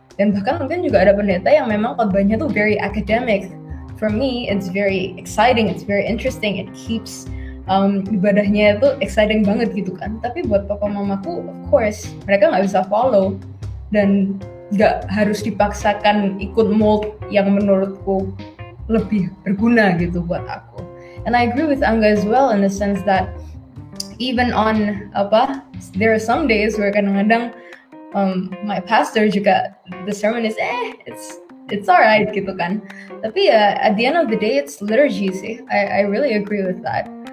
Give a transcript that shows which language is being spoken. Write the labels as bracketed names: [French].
[Indonesian] Dan bahkan mungkin juga ada pendeta yang memang khotbahnya tuh [English] very academic. For me, it's very exciting, it's very interesting, it keeps [Indonesian] ibadahnya itu [English] exciting [Indonesian] banget gitu kan. Tapi buat papa mamaku, [English] of course, [Indonesian] mereka nggak bisa follow dan nggak harus dipaksakan ikut mold yang menurutku lebih berguna gitu buat aku. [English] And I agree with Angga as well in the sense that even on apa, there are some days where [Indonesian] kadang-kadang [English] my pastor juga the sermon is it's alright [Indonesian] gitu kan. Tapi ya [English] at the end of the day it's liturgy sih. I really agree with that.